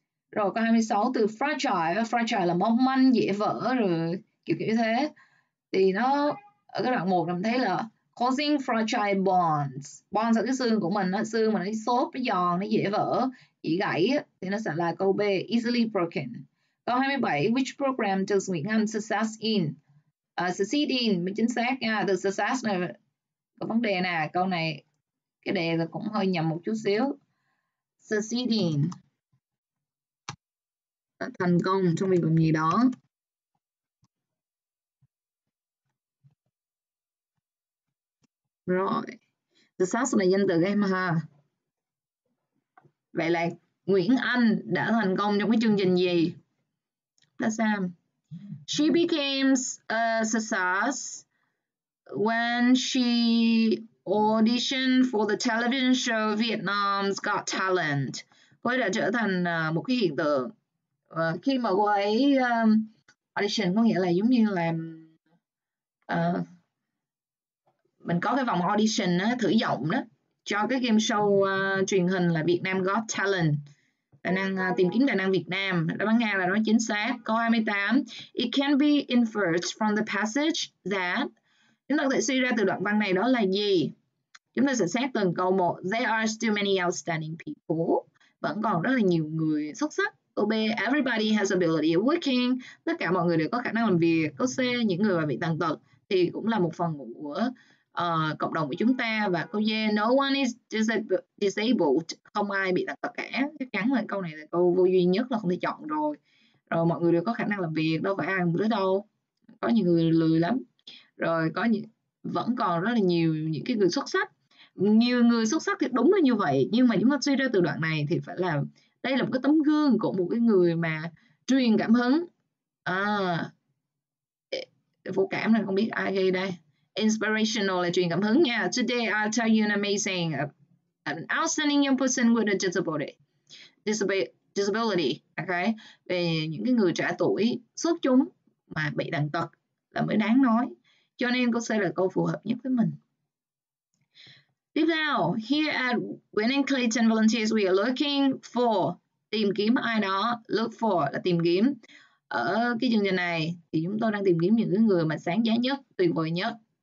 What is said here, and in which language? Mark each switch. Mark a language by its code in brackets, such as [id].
[vi] Rồi câu 26, từ fragile, fragile là mong manh, dễ vỡ, rồi kiểu kiểu thế. Thì nó ở cái đoạn 1 mình thấy là [en] causing fragile bonds. [vi] Bonds là cái xương của mình, xương mà nó xốp, nó giòn, nó dễ vỡ, dễ gãy. Thì nó sẽ là câu B, [en] easily broken. [vi] Câu 27, [en] which program does Nguyễn Anh success in? [vi] Succeed in, mới chính xác nha. The success này, có vấn đề nè, câu này, cái đề là cũng hơi nhầm một chút xíu. Succeed in, thành công trong việc làm gì đó. Rồi, success là danh từ em ha. Vậy là Nguyễn Anh đã thành công trong cái chương trình gì? Ta xem. [en] She became a success when she auditioned for the television show Vietnam's Got Talent. [vi] Cô ấy đã trở thành một cái hiện tượng. Khi mà cô ấy audition, có nghĩa là giống như là mình có cái vòng audition đó, thử giọng đó, cho cái game show truyền hình là Vietnam Got Talent. Tài năng, tìm kiếm tài năng Việt Nam. Đáp án A là nó chính xác. Câu 28. [en] It can be inferred from the passage that. [vi] Chúng ta có thể suy ra từ đoạn văn này đó là gì? Chúng ta sẽ xét từng câu một. [en] There are still many outstanding people. [vi] Vẫn còn rất là nhiều người xuất sắc. Câu B. [en] Everybody has ability of working. [vi] Tất cả mọi người đều có khả năng làm việc. Câu C. Những người mà bị tàn tật thì cũng là một phần của cộng đồng của chúng ta. Và câu D, [en] no one is disabled, [vi] không ai bị tàn tật cả. Chắc chắn là câu này là câu vô duy nhất là không thể chọn rồi. Rồi mọi người đều có khả năng làm việc, đâu phải ai cũng được đâu, có những người lười lắm, rồi có những vẫn còn rất là nhiều những cái người xuất sắc. Nhiều người xuất sắc thì đúng là như vậy, nhưng mà chúng ta suy ra từ đoạn này thì phải là đây là một cái tấm gương của một cái người mà truyền cảm hứng, vô cảm là không biết ai ghi đây. Inspirational là truyền cảm hứng nha. [en] Today I'll tell you an amazing, an outstanding young person with a disability. Okay. [vi] Về những cái người trẻ tuổi xuất chúng mà bị tàn tật là mới đáng nói. Cho nên câu C là câu phù hợp nhất với mình. Tiếp theo, [en] here at Winning Clayton Volunteers, we are looking for, [vi] tìm kiếm ai đó. Look for là tìm kiếm. Ở cái chương trình này thì chúng tôi đang tìm kiếm những cái người mà sáng giá nhất, tuyệt vời nhất.